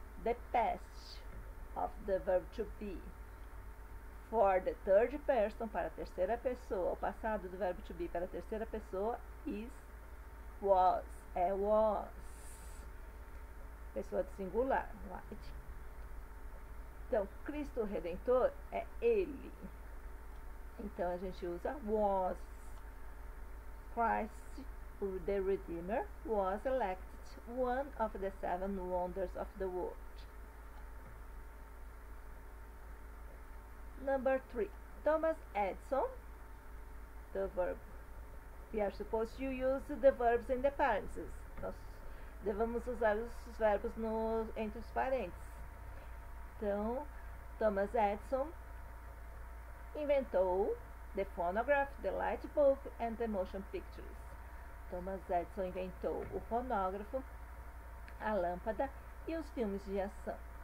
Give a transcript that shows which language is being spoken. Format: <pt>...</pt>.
<en>The past of the verb to be. For the third person,</en> <pt>para a terceira pessoa,</pt> <en>o passado do verbo to be para a terceira pessoa is, was, é was,</en> <pt>pessoa do singular,</pt> <en>right?</en> <pt>Então, Cristo Redentor é ele, então a gente usa was.</pt> <en>Christ, the Redeemer, was elected one of the seven wonders of the world. Number 3. Thomas Edison, the verb. We are supposed to use the verbs in the parentheses.</en> <pt>Nós devemos usar os verbos no, entre os parênteses. Então, Thomas Edison inventou</pt> <en>the phonograph, the light bulb and the motion pictures.</en> <pt>Thomas Edison inventou o fonógrafo, a lâmpada e os filmes de ação.</pt>